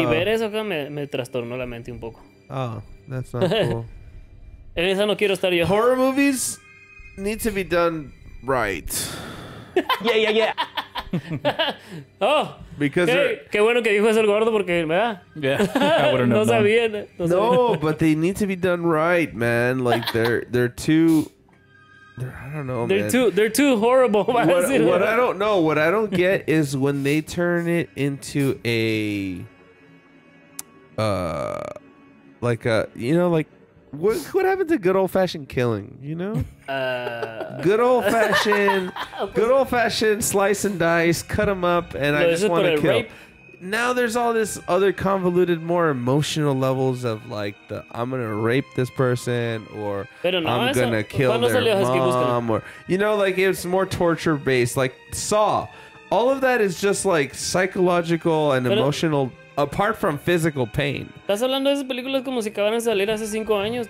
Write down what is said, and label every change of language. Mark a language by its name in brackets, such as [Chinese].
[Spanish] Y ver eso acá me, me trastornó la mente un poco. [English] Oh, that's not cool. [Spanish] En esa no quiero estar yo. [English] Horror movies need to be done right. Yeah, yeah, yeah. Oh, because hey, [Spanish] qué bueno que dijo eso el gordo porque ¿verdad? [English] Yeah, [Spanish] no sabía. [English] No, but they need to be done right, man. Like they're too horrible. What I don't know, what I don't get is when they turn it into a like a, you know, like what happened to good old fashioned killing, you know? Good old fashioned slice and dice, cut them up, and no, I just want to kill. Rape? Now there's all this other convoluted, more emotional levels of like the I'm gonna rape this person, or no, I'm gonna kill their mom, or you know, like it's more torture based, like Saw. All of that is just like psychological and emotional. Apart from physical pain. [Spanish] Estás hablando de esas películas como si acabaran de salir hace 5 años.